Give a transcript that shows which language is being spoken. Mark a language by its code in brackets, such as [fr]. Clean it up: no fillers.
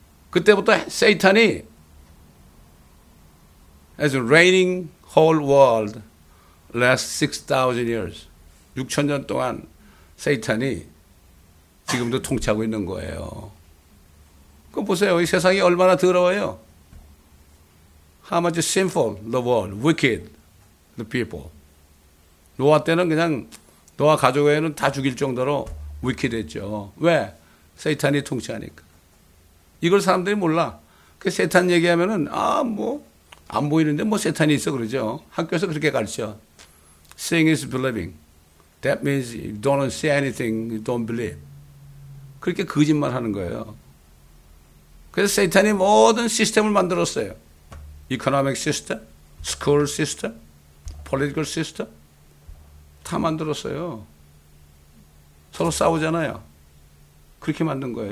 [ko] 그때부터 세이탄이 [en] as a reigning whole world last 6,000 years. [ko] 6,000년 동안 세이탄이 지금도 통치하고 있는 거예요. 그거 보세요. 이 세상이 얼마나 더러워요. [en] How much is sinful the world, wicked the people. [ko] 노아 때는 그냥 노아 가족 외에는 다 죽일 정도로 wicked했죠. 왜? 세이탄이 통치하니까. 이걸 사람들이 몰라. 그 세탄 얘기하면은 아 뭐 안 보이는데 뭐 세탄이 있어 그러죠. 학교에서 그렇게 가르쳐. [en] Seeing is believing. That means you don't see anything, you don't believe. [ko] 그렇게 거짓말 하는 거예요. 그래서 세이탄이 모든 시스템을 만들었어요. [en] Economic system, school system, political system. [ko] 다 만들었어요. 서로 싸우잖아요. 그렇게 만든 거예요.